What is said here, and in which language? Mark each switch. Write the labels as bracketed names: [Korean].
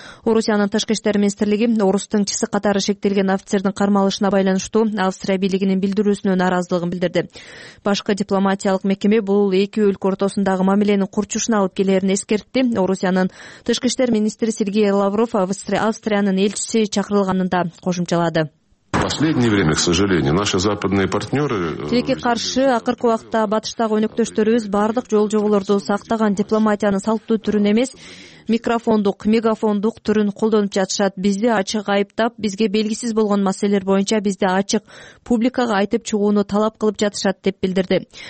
[Kyrgyz] Орусиянын тышкы иштер министрлиги Орустун чисы катары шектелген офицердин кармалышына байланыштуу Австрия бийлигинин билдирүүсүнө нааразылыгын билдирди. Башкы дипломатиялык мекеме бул эки өлкө ортосундагы мамиленин курчушуна алып келерин эскертти. Орусиянын тышкы иштер министри Сергей Лавров Австриянын элчиси чакырылганын да кошумчалады. [Russian] Последнее время, к сожалению, наши западные партнеры... [Kyrgyz] Тилекке каршы, акыркы убакта батыштагы өнөктөштөрүбүз бардык жол-жоболорду сактаган дипломатиянын салттуу түрүн эмес, микрофондук, мегафондук түрүн колдонуп жатышат. Бизди ачык айыптап, бизге белгисиз болгон маселелер боюнча бизди ачык публикага айтып чыгууну талап кылып жатышат, деп билдирди.